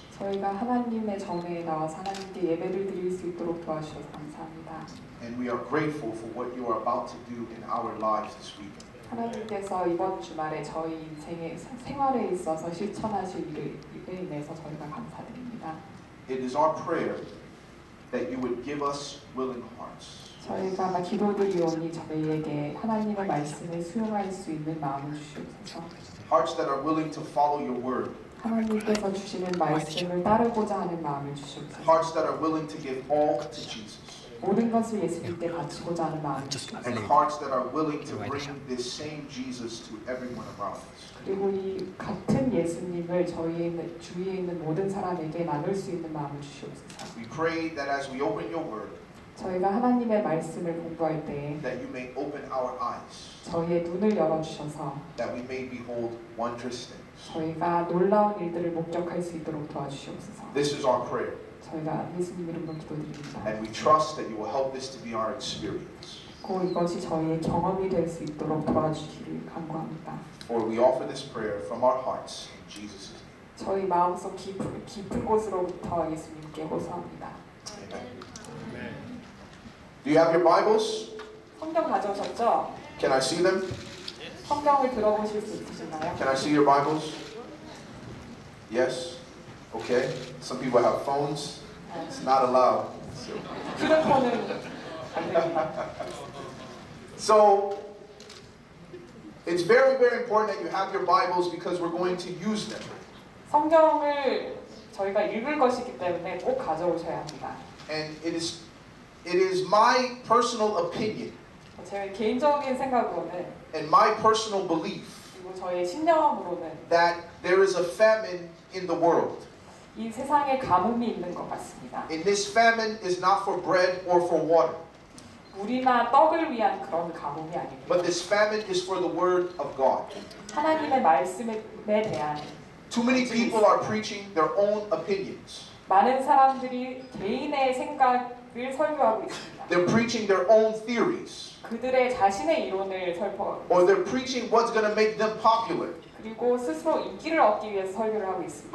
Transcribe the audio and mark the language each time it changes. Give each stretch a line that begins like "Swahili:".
Korean: 저희가 하나님의 전에 나와서 하나님께 예배를 드릴 수 있도록 도와주셔서 감사합니다.
English: And we are grateful for what you are about to do in our lives this week.
Korean: 하나님께서 이번 주말에 저희 인생의 생활에 있어서 실천하실 일을 위해서 저희가 감사드립니다.
English: It is our prayer that you would give us willing hearts.
Korean: 저희가 아마 기도드리오니 저희에게 하나님의 말씀을 수용할 수 있는 마음을 주시옵소서.
English: Hearts that are willing to follow your word.
Korean: 하나님께서 주시는 말씀을 따르고자 하는 마음을 주시옵소서.
English: Hearts that are willing to give all to Jesus.
Korean: 모든 것을 예수님께 바치고자 하는 마음을 주시옵소서.
English: And hearts that are willing to bring this same Jesus to everyone around us.
Korean: 그리고 이 같은 예수님을 저희 주위에 있는 모든 사람에게 나눌 수 있는 마음을 주시옵소서.
English: We pray that as we open your word.
Korean: 저희가 하나님의 말씀을 공부할 때
English: that you may open our eyes.
Korean: 저희의 눈을 열어주셔서
English: that we may behold wondrous things.
Korean: 저희가 놀라운 일들을 목격할 수 있도록 도와주시옵소서.
English: This is our prayer.
Korean: 저희가 예수님 이름으로 기도드립니다.
English: And we trust that you will help this to be our experience.
Korean: 꼭 이것이 저희의 경험이 될 수 있도록 도와주시기를 간구합니다.
English: For we offer this prayer from our hearts in Jesus' name.
Korean: 저희 마음속 깊은 곳으로부터 예수님께 호소합니다.
English: Amen. Do you have your Bibles?
Korean: 성경 가져오셨죠?
English: Can I see them?
Korean: 성경을 들어보실 수 있으신가요?
English: Can I see your Bibles? Yes. Okay. Some people have phones. It's not allowed. So.
Korean: 휴대폰은 안 됩니다.
English: So it's very, very important that you have your Bibles because we're going to use them.
Korean: 성경을 저희가 읽을 것이기 때문에 꼭 가져오셔야 합니다.
English: And it is my personal opinion.
Korean: 제 개인적인 생각으로는
English: and my personal belief.
Korean: 그리고 저의 신념으로는
English: that there is a famine in the world.
Korean: 이 세상에 가뭄이 있는 것 같습니다.
English: And this famine is not for bread or for water.
Korean: 물이나 떡을 위한 그런 가뭄이 아닙니다.
English: But this famine is for the word of God.
Korean: 하나님의 말씀에 대한
English: Too many people are preaching their own opinions.
Korean: 많은 사람들이 개인의 생각을 설교하고 있습니다.
English: They're preaching their own theories.
Korean: 그들의 자신의 이론을 설포하고
English: Or they're preaching what's going to make them popular.
Korean: 그리고 스스로 인기를 얻기 위해서 설교를 하고 있습니다.